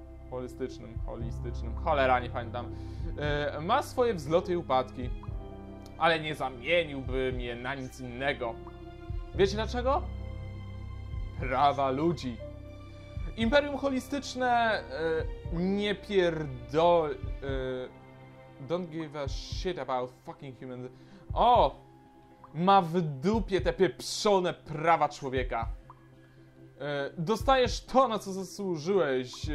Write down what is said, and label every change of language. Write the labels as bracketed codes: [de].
[pl] Holistycznym. Cholera, nie pamiętam. Ma swoje wzloty i upadki. Ale nie zamieniłbym je na nic innego. Wiecie dlaczego? Prawa ludzi. Imperium Holistyczne nie pierdol... [en] Don't give a shit about fucking humans. [pl] O! Ma w dupie te pieprzone prawa człowieka. Dostajesz to, na co zasłużyłeś.